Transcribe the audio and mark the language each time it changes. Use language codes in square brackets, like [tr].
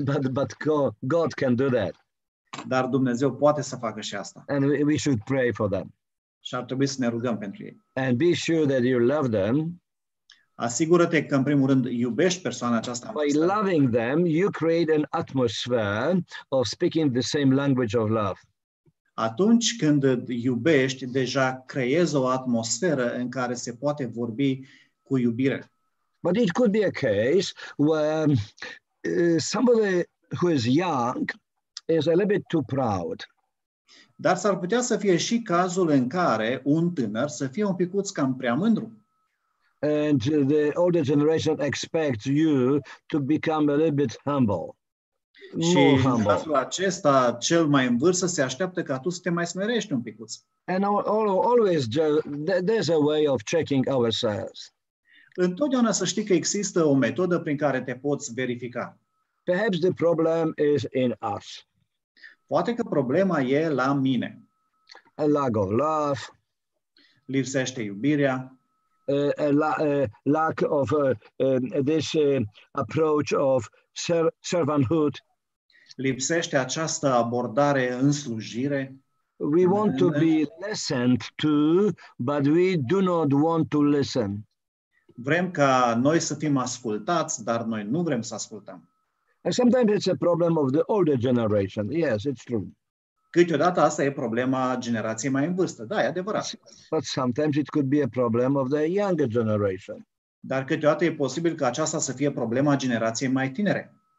[en] But God can do that. [ro] Dar Dumnezeu poate să facă și asta. [en] And we should pray for them. [ro] Și ar trebui să ne rugăm pentru ei. [en] And be sure that you love them. [ro] Asigură-te că, în primul rând, iubești persoana aceasta. [en] By loving them, you create an atmosphere of speaking the same language of love. [ro] Atunci când iubești, deja creezi o atmosferă în care se poate vorbi cu iubire. [en] But it could be a case where somebody who is young is a little bit too proud. [ro] Dar s-ar putea să fie și cazul în care un tânăr să fie un picuț cam prea mândru. [en] And the older generation expects you to become a little bit humble. [ro] Și în cazul acesta, cel mai în vârstă se așteaptă ca tu să te mai smerești un picuț. [en] And always there's a way of checking ourselves. [ro] Întotdeauna să știi că există o metodă prin care te poți verifica. [en] Perhaps the problem is in us. [ro] Poate că problema e la mine. [en] A lack of love. [ro] Lipsește iubirea. [en] Lack of this approach of servanthood. [ro] Lipsește această abordare în slujire. [en] We want to be listened to, but we do not want to listen. [ro] Vrem ca noi să fim ascultați, dar noi nu vrem să ascultăm. [en] And sometimes it's a problem of the older generation. Yes, it's true. [ro] Câteodată asta e problema generației mai în vârstă. Da, e adevărat. [en] But sometimes it could be a problem of the younger generation. [ro] Dar câteodată e posibil ca aceasta să fie problema generației mai tinere.